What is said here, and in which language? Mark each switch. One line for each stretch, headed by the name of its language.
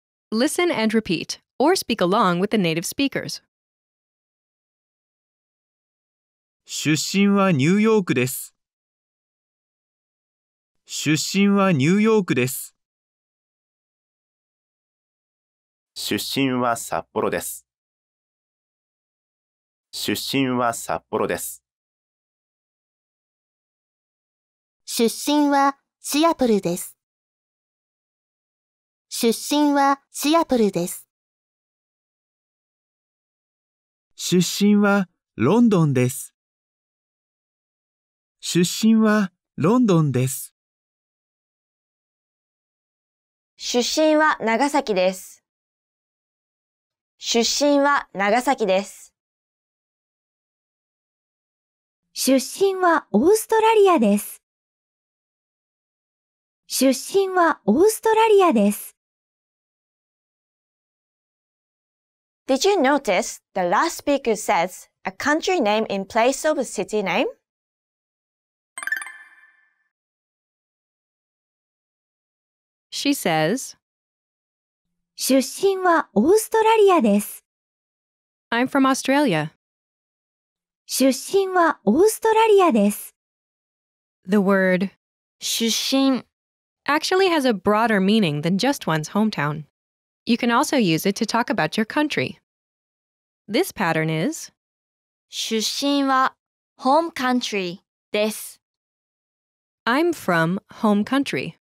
English: Listen and repeat, or speak along with the native speakers.
Japanese: 出身はニューヨークです。出身はニューヨークです。出身は札幌です。出身は札幌です。出身はシアトルです。出身はシアトルです。出身はロンドンです。出身はロンドンです。出身は長崎です。出身は長崎です。出身はオーストラリアです。出身はオーストラリアです。
English: Did you notice the last speaker says a country name in place of a city name? She says,
Japanese: 出身はオーストラリアです。
English: I'm from Australia.
Japanese: 出身はオーストラリアです。
English: The word
Japanese: 出身
English: actually has a broader meaning than just one's hometown. You can also use it to talk about your country. This pattern is
Japanese: 出身は
English: home country
Japanese: です。
English: I'm from home country.